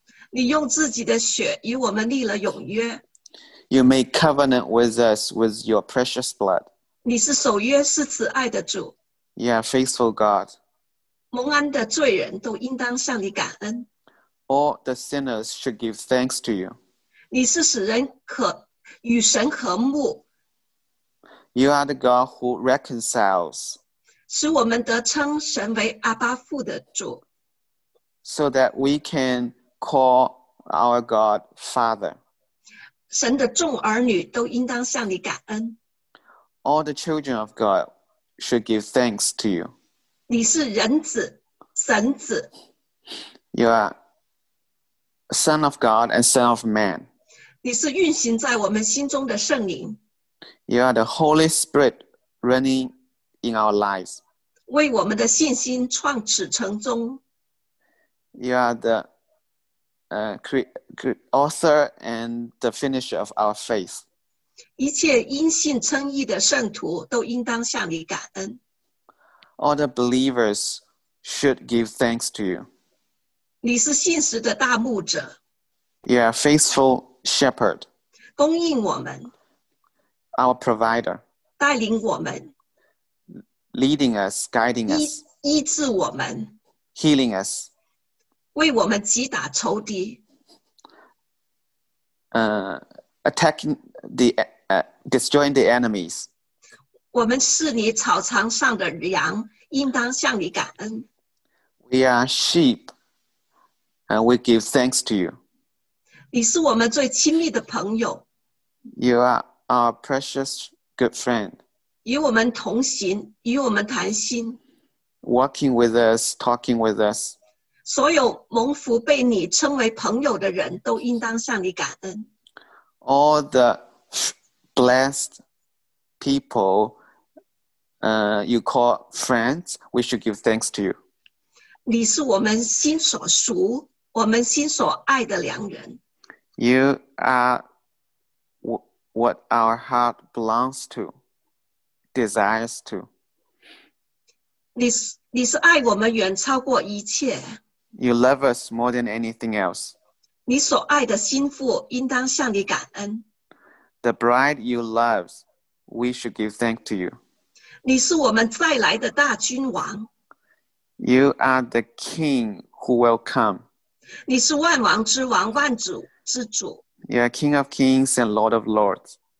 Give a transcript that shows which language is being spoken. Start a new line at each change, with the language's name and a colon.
Chinese: 你用自己的血与我们立了永约。
English: You made covenant with us with your precious blood.
Chinese: 你是守约是慈爱的主。
English: You are faithful God.
Chinese: 蒙恩的罪人都应当向你感恩。
English: All the sinners should give thanks to you.
Chinese: 你是使人与神和睦。
English: You are the God who reconciles.
Chinese: 使我们得称神为阿巴父的主。
English: So that we can call our God Father.
Chinese: 神的众儿女都应当向你感恩。
English: All the children of God should give thanks to you.
Chinese: 你是人子，神子。
English: You are Son of God and Son of Man.
Chinese: 你是运行在我们心中的圣灵。
English: You are the Holy Spirit running in our lives.
Chinese: 为我们的信心创始成终。
English: You are the author and the finisher of our faith.
Chinese: 一切因信称义的圣徒都应当向你感恩。
English: All the believers should give thanks to you.
Chinese: 你是信实的大牧者。
English: You are a faithful shepherd.
Chinese: 供应我们。
English: Our provider.
Chinese: 带领我们。
English: Leading us, guiding us.
Chinese: 医治我们。
English: Healing us.
Chinese: 为我们击打仇敌。
English: Attacking the, destroying the enemies.
Chinese: 我们是你草场上的羊，应当向你感恩。
English: We are sheep, and we give thanks to you.
Chinese: 你是我们最亲密的朋友。
English: You are our precious good friend.
Chinese: 与我们同行，与我们谈心。
English: Walking with us, talking with us.
Chinese: 所有蒙福被你称为朋友的人都应当向你感恩。
English: All the blessed people you call friends, we should give thanks to you.
Chinese: 你是我们心所属，我们心所爱的良人。
English: You are what our heart belongs to, desires to.
Chinese: 你是爱我们远超过一切。
English: You love us more than anything else.
Chinese: 你所爱的心腹应当向你感恩。
English: The bride you love, we should give thanks to you.
Chinese: 你是我们再来的大君王。
English: You are the king who will come.
Chinese: 你是万王之王，万主之主。
English: You are king of kings and lord of lords.